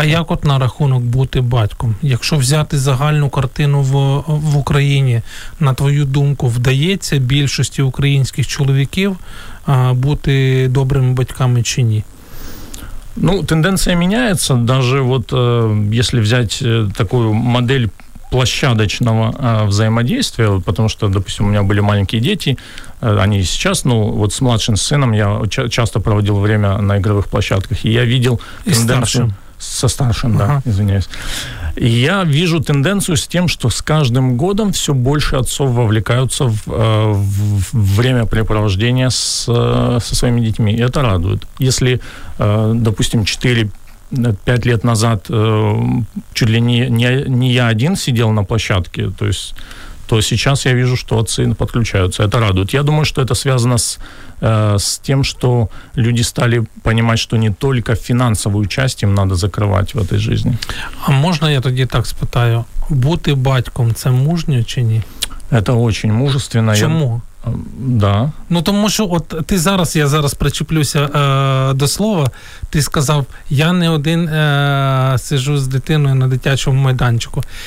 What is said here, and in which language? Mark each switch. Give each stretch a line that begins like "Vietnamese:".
Ukrainian: А як от на рахунок бути батьком? Якщо взяти загальну картину в Україні, на твою думку, вдається більшості українських чоловіків бути добрими батьками чи ні?
Russian: Ну, тенденция меняется, даже вот если взять такую модель площадочного взаимодействия, потому что, допустим, у меня были маленькие дети, они сейчас, ну, вот с младшим сыном я часто проводил время на игровых площадках, и я видел тенденцию... Со старшим, да, ага. Извиняюсь. И я вижу тенденцию с тем, что с каждым годом все больше отцов вовлекаются в времяпрепровождение со своими детьми. И это радует. Если, допустим, 4-5 лет назад чуть ли не я один сидел на площадке, то сейчас я вижу, что отцы подключаются. Это радует. Я думаю, что это связано с тем, что люди стали понимать, что не только финансовую часть им надо закрывать в этой жизни.
Ukrainian: А можно я тоді так спитаю? Бути батьком – це мужньо чи ні?
Russian: Это очень мужественно.
Ukrainian: Чому? Да. Ну, тому що от ти зараз, я зараз причеплюся до слова, ти сказав, я не один сижу з дитиною на дитячому майданчику.